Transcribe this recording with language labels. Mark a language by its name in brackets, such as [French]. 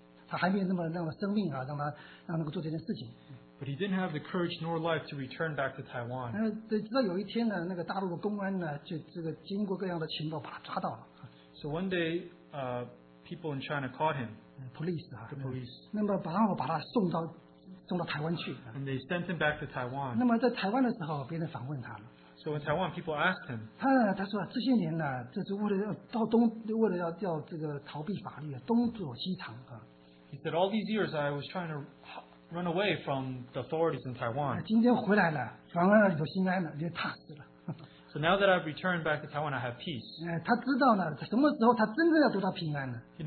[Chinese] 但是他当然没有那个勇气出来投案啊，说回到台湾去，他还没有那么生命啊，让他做这件事情。 [English] But he didn't have the courage nor life to return back to Taiwan. [Chinese] 直到有一天呢，那个大陆的公安呢，就经过各样的情报把他抓到了。So [English] one day, people in China caught him. [Chinese] Police，那么把他送到台湾去。And [English] they sent him back to Taiwan. [Chinese] 那么在台湾的时候，别人访问他了。So [English] in Taiwan, people asked him. [Chinese] 他说这些年呢，这是为了要逃避法律，东躲西藏啊。He [English] said all these years I was trying to run away from the authorities in Taiwan. [Chinese] 今天回来了，反而有心安了，就踏实了。So [English] now that I've returned back to Taiwan, I have peace. [Chinese] 他知道了什么时候他真正要得到平安了。You